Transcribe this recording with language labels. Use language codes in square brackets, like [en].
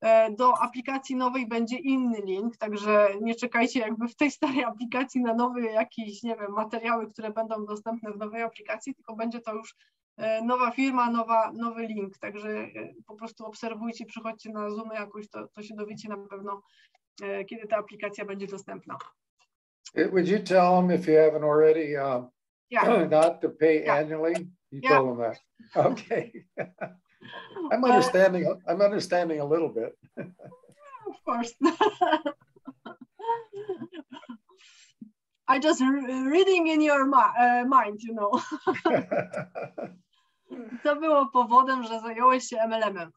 [pl] Do aplikacji nowej będzie inny link, także nie czekajcie jakby w tej starej aplikacji na nowe jakieś, nie wiem, materiały, które będą dostępne w nowej aplikacji, tylko będzie to już nowa firma, nowy link. Także po prostu obserwujcie, przychodźcie na Zoomy jakoś, to się dowiecie na pewno, kiedy ta aplikacja będzie dostępna. [en] Would you tell them if you haven't already not to pay annually? You told them that. Okay. I'm understanding a little bit. Of course. I just reading in your mind, you know. [pl] To było powodem, że zająłeś się MLM-em.